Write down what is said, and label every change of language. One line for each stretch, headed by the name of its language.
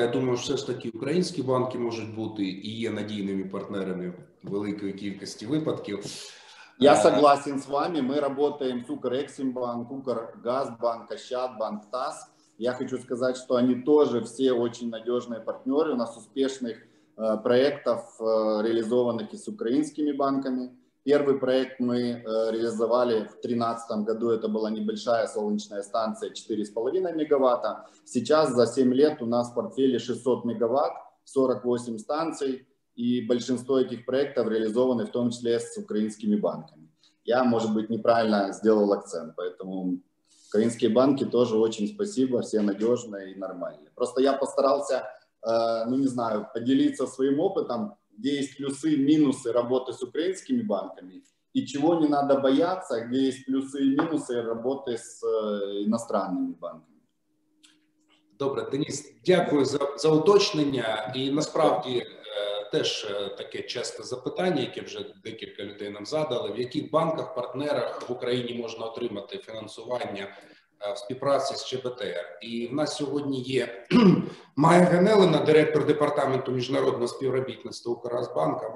Ukrainian: Я думаю, все ж таки українські банки можуть бути і є надійними партнерами великої кількості випадків.
Russian: Я согласен с вами. Мы работаем с Укрэксимбанк, Укргазбанк, Ощадбанк, ТАСС. Я хочу сказать, что они тоже все очень надежные партнеры. У нас успешных проектов, реализованных и с украинскими банками. Первый проект мы реализовали в 2013 году. Это была небольшая солнечная станция 4,5 мегаватта. Сейчас за 7 лет у нас в портфеле 600 мегаватт, 48 станций. И большинство этих проектов реализованы в том числе с украинскими банками. Я, может быть, неправильно сделал акцент, поэтому украинские банки тоже очень спасибо, все надежные и нормальные. Просто я постарался, поделиться своим опытом, где есть плюсы и минусы работы с украинскими банками, и чего не надо бояться, где есть плюсы и минусы работы с иностранными банками.
Ukrainian: Добре, Денис, дякую за уточнення. І насправді теж таке часте запитання, яке вже декілька людей нам задали. В яких банках, партнерах в Україні можна отримати фінансування в співпраці з ЧБТР? І в нас сьогодні є Майя Генелина, директор департаменту міжнародного співробітництва Укргазбанка.